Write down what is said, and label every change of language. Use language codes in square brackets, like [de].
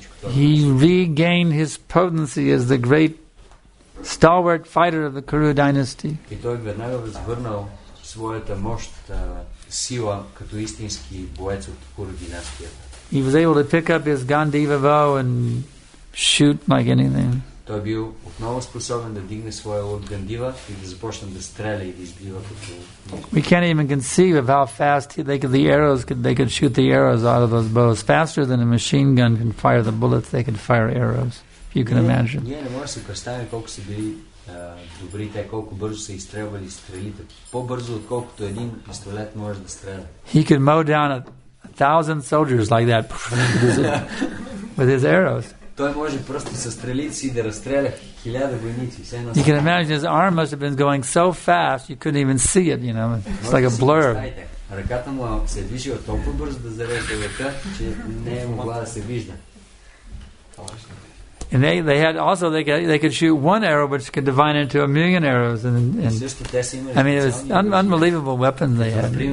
[en] He regained his potency as the great stalwart fighter of the Kuru dynasty. He was able to pick up his Gandiva bow and shoot like anything. [bg] Той бил отново способен да дигне своя лук гандива и да започне да стреля и да избива като. [en] We can't even conceive of how fast they could shoot the arrows out of those bows, faster than a machine gun can fire the bullets. They could fire arrows, if you can imagine. [bg] Ние не можем да си представим колко са били добри те, колко бързо са изстрелвали стрелите, по-бързо отколкото един пистолет може да стреля. [en] He could mow down 1,000 soldiers like that with his arrows. [bg] Той може просто със стрелици да разстреля 1000 войници. [en] You can imagine his arm must have been going so fast you couldn't even see it, you know. It's like a blur. [bg] Ръката му се движила толкова бързо да зарежда ръка, че не е могла да се вижда. [en] And they could shoot one arrow which could divine into a million arrows and I mean, it was unbelievable weapon they had.